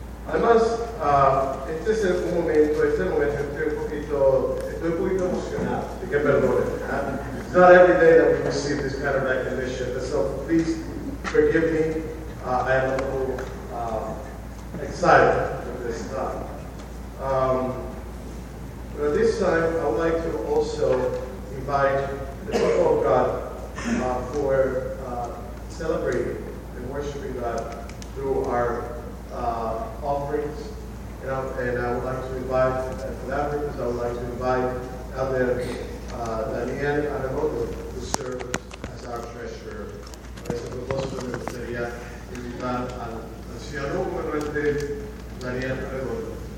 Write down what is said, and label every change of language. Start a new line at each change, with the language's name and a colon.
Spanish: Además, este es un momento, estoy un poquito emocionado, así que perdone.
English: It's not every day that we receive this kind of recognition, so please forgive me. I am a little excited at this time. But at this time, I would like to also invite the people of God for celebrating and worshiping God through our offerings. And I would like to invite, for that purpose, I would like to invite Elder Daniel Anamoto, who serves as our treasurer.
Spanish: Es el propósito me gustaría invitar al anciano gobernante Daniel Anamoto.